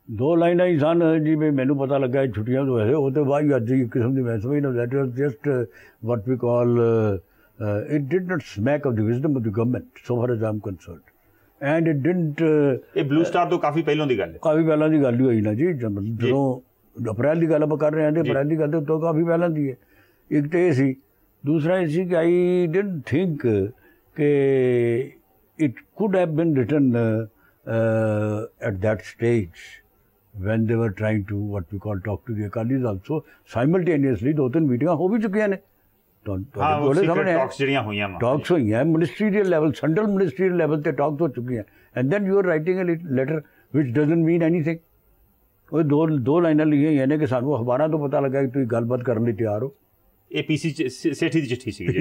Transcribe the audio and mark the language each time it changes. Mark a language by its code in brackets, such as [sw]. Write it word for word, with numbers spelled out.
[pa] ਦੋ ਲਾਈਨਾਂ ਹੀ ਸਨ ਜੀ, ਵੀ ਮੈਨੂੰ ਪਤਾ ਲੱਗਾ ਛੁੱਟੀਆਂ ਤੋਂ ਵੈਸੇ ਉਹ ਤੋਂ ਬਾਅਦ ਅੱਜ ਦੀ ਕਿਸਮ ਦੀ ਮੈਂ ਸਮਝਦਾ [en] That was just what we call it did not smack of the wisdom of the government so far as I am concerned and it didn't. [pa] ਇਹ ਬਲੂ ਸਟਾਰ ਤੋਂ ਕਾਫੀ ਪਹਿਲਾਂ ਦੀ ਗੱਲ ਹੈ। ਕਾਫੀ ਪਹਿਲਾਂ ਦੀ ਗੱਲ ਹੀ ਹੋਈ ਨਾ ਜੀ, ਜਦੋਂ ਅਪ੍ਰੈਲ ਦੀ ਗੱਲ ਆਪਾਂ ਕਰ ਰਹੇ ਹਾਂ, ਅਪ੍ਰੈਲ ਦੀ ਗੱਲ ਤਾਂ ਉਦੋਂ ਕਾਫੀ ਪਹਿਲਾਂ ਦੀ ਹੈ। ਇੱਕ ਤਾਂ ਇਹ ਸੀ, ਦੂਸਰਾ ਇਹ ਸੀ ਕਿ [en] I didn't think ਕਿ it could have been written Uh, at that stage when they were trying to what we call talk to the Akalis also simultaneously. [pa] ਦੋ ਤਿੰਨ ਮੀਟਿੰਗਾਂ ਹੋ ਵੀ ਚੁੱਕੀਆਂ ਨੇ, ਟਾਕਸ ਜਿਹੜੀਆਂ ਹੋਈਆਂ ਟਾਕਸ ਹੋਈਆਂ ministerial level, central ministerial level 'ਤੇ ਟਾਕਸ ਹੋ ਚੁੱਕੀਆਂ। [en] And then you are writing a letter ਵਿਚ doesn't mean anything. [pa] ਉਹ ਦੋ ਦੋ ਲਾਈਨਾਂ ਲਿਖੀਆਂ ਹੋਈਆਂ ਨੇ ਕਿ ਸਾਨੂੰ ਅਖਬਾਰਾਂ ਤੋਂ ਪਤਾ ਲੱਗਾ ਕਿ ਤੁਸੀਂ ਗੱਲਬਾਤ ਕਰਨ ਲਈ ਤਿਆਰ ਹੋ। ਇਹ ਪੀ ਸੀ ਸੇਠੀ ਦੀ ਚਿੱਠੀ ਸੀ